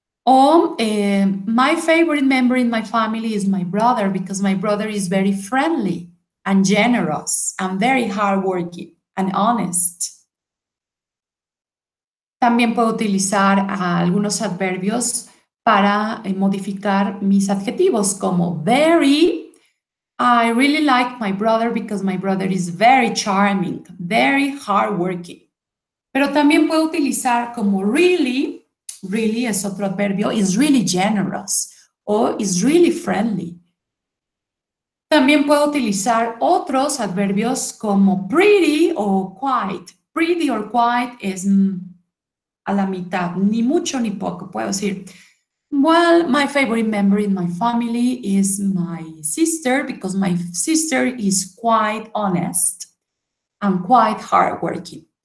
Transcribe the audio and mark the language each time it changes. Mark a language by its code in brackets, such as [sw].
[en] O, my favorite member in my family is my brother because my brother is very friendly and generous and very hardworking and honest. [es] También puedo utilizar algunos adverbios para modificar mis adjetivos como very. [en] I really like my brother because my brother is very charming, very hardworking. [es] Pero también puedo utilizar como really. Really es otro adverbio, [en] is really generous [es] o [en] is really friendly. [es] También puedo utilizar otros adverbios como pretty o quite. [en] Pretty or quite [es] es a la mitad, ni mucho ni poco. Puedo decir, [en] well, my favorite member in my family is my sister because my sister is quite honest and quite hardworking.